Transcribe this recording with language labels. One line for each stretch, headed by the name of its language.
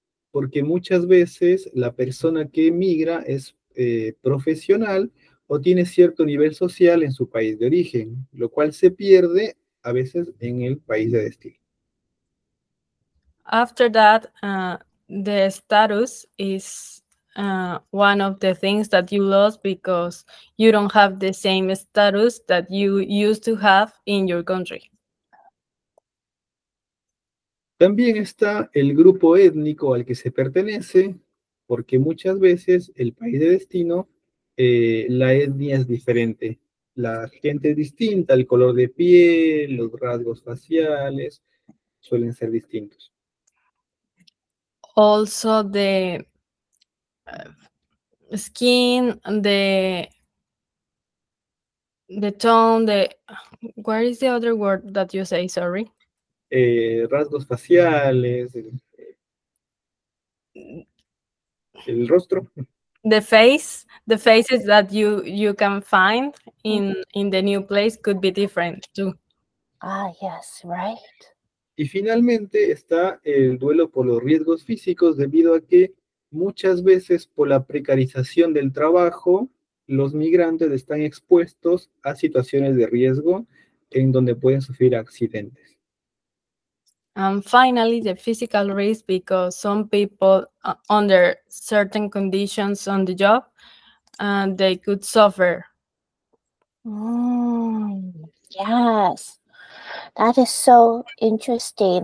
Spanish: Porque muchas veces la persona que emigra es profesional o tiene cierto nivel social en su país de origen, lo cual se pierde a veces en el país de destino.
English: After that, the status is one of the things that you lost because you don't have the same status that you used to have in your country.
Spanish: También está el grupo étnico al que se pertenece, porque muchas veces el país de destino, la etnia es diferente, la gente es distinta, el color de piel, los rasgos faciales suelen ser distintos.
English: Also, the skin, the tone, the where is the other word that you say? Sorry.
Spanish: Rasgos faciales, el rostro.
English: The faces that you can find in the new place could be different too. Yes, right.
Spanish: Y finalmente está el duelo por los riesgos físicos, debido a que muchas veces por la precarización del trabajo, los migrantes están expuestos a situaciones de riesgo en donde pueden sufrir accidentes.
English: And finally, the physical risk because some people, under certain conditions on the job, they could suffer. Yes, that is so interesting.